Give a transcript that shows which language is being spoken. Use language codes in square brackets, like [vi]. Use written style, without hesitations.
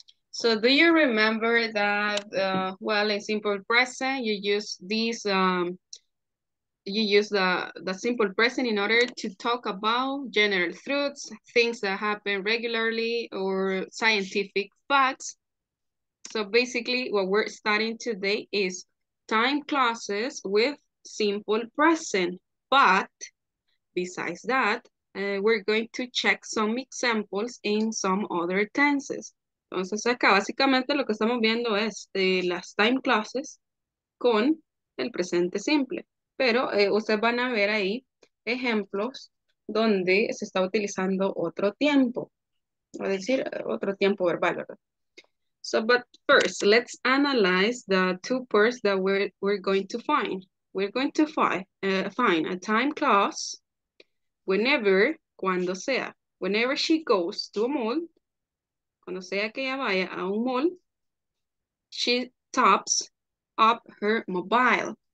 [en] So do you remember that, well, in simple present, you use this, you use the simple present in order to talk about general truths, things that happen regularly, or scientific facts. So basically, what we're studying today is time clauses with simple present. But besides that, we're going to check some examples in some other tenses. [es] Entonces acá básicamente lo que estamos viendo es las time clauses con el presente simple. Pero ustedes van a ver ahí ejemplos donde se está utilizando otro tiempo. Es decir, otro tiempo verbal, ¿verdad? [en] So, but first, let's analyze the two parts that we're going to find. We're going to find a time clause whenever, [es] cuando sea. [en] Whenever she goes to a mall, [es] cuando sea que ella vaya a un mall, [en] she tops up her mobile.